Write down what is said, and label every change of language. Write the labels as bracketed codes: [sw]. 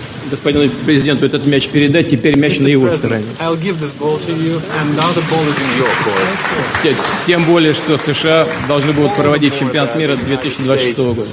[ru] господин президент, этот мяч передать, теперь мяч на его стороне. [en] I'll give this ball to you, and now the ball is in your court. [ru] Тем более, что США должны будут проводить чемпионат мира 2026 года.